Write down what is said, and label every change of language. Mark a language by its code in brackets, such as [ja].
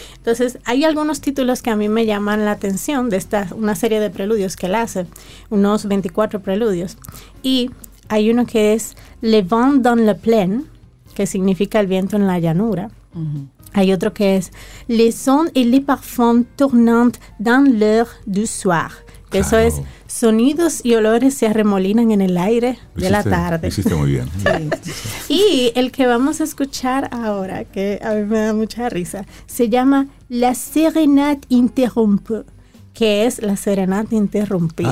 [es] Entonces, hay algunos títulos que a mí me llaman la atención de esta, una serie de preludios que él hace, unos 24 preludios, y hay uno que es Le Vent dans la Plaine, que significa el viento en la llanura. Hay otro que es [fr] Les sons et les parfums tournant dans l'heure du soir. [es] Que claro. Eso es, sonidos y olores se arremolinan en el aire de la tarde. Hiciste muy bien. Sí. Y el que vamos a escuchar ahora, que a mí me da mucha risa, se llama La Serenade Interrompue, que es la serenata interrumpida.